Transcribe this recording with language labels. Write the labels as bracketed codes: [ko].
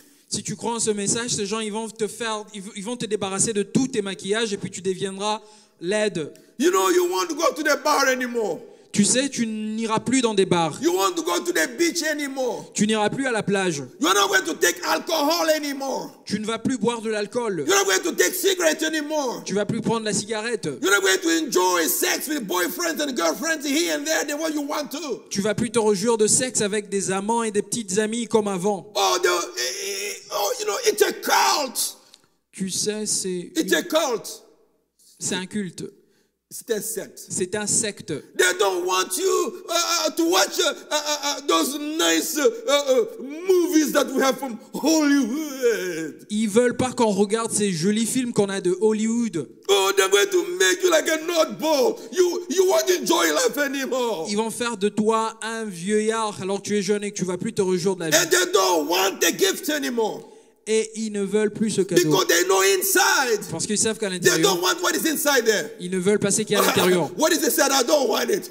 [fr] Si tu crois en ce message, ces gens ils vont te débarrasser de tous tes maquillages et puis tu deviendras laide. [en] You know you won't go to the bar anymore. [fr] Tu sais, tu n'iras plus dans des bars. [en] You won't go to the beach anymore. [fr] Tu n'iras plus à la plage. [en] You're not going to take alcohol anymore. [fr] Tu ne vas plus boire de l'alcool. [en] You're not going to take cigarettes anymore. [fr] Tu vas plus prendre la cigarette. [en] You're not going to enjoy sex with boyfriends and girlfriends here and there the way you want to. [fr] Tu vas plus te réjouir de sexe avec des amants et des petites amies comme avant. [en] Oh, you know, it's a cult. [fr] Tu sais, c'est. [en] It's a cult. [fr] C'est un culte. C'est un secte. [en] They don't want you to watch those nice movies that we have from Hollywood. [fr] Ils veulent pas qu'on regarde ces jolis films qu'on a de Hollywood. [en] Oh, they're going to make you like a nutball. You won't enjoy life anymore. [fr] Ils vont faire de toi un vieillard alors que tu es jeune et que tu vas plus te réjouir de la vie. [en] And they don't want the gift anymore. [fr] Et ils ne veulent plus ce cadeau. [en] Because they know inside. [fr] Parce qu'ils savent qu'à l'intérieur. [en] They don't want what is inside there. [fr] Ils ne veulent pas ce qu'il y a à l'intérieur. [en] What is inside? I don't want it.